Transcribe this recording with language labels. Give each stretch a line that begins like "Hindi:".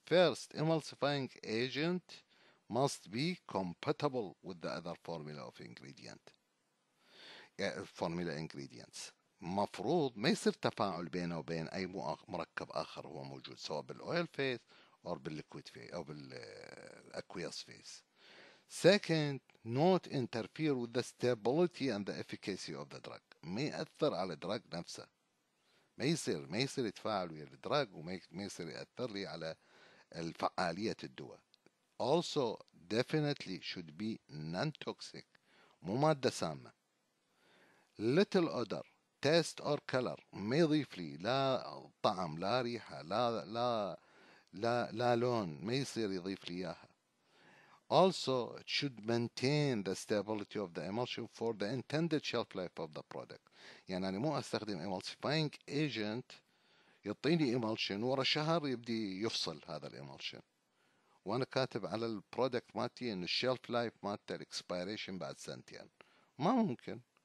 English: First, emulsifying agent must be compatible with the other formula of ingredient. Formula ingredients.
Arabic: مفروض ما يصير تفاعل بينه وبين أي مركب آخر هو موجود، سواء بالأويل فيز أو بالليكويد فيز أو بالأكويس فيز.
English: Second, not interfere with the stability and the efficacy of the drug.
Arabic: ما يأثر على الدراج نفسه، ما يصير يتفاعل ويا الدراج وما يصير يأثر لي على الفعالية الدواء.
English: Also definitely should be non-toxic،
Arabic: مو مادة سامة.
English: Little odor taste or color
Arabic: ما يضيف لي لا طعم لا ريحة لا لا لا لا لون، ما يصير يضيف لي اياها.
English: Also it should maintain the stability of the emulsion for the intended shelf life of the product.
Arabic: يعني انا مو استخدم emulsifying agent يعطيني emulsion ورا شهر يبدي يفصل هذا الemulsion، وانا كاتب على البرودكت مالتي ان الشيلف لايف مالته الاكسبيريشن بعد سنتين، ما ممكن.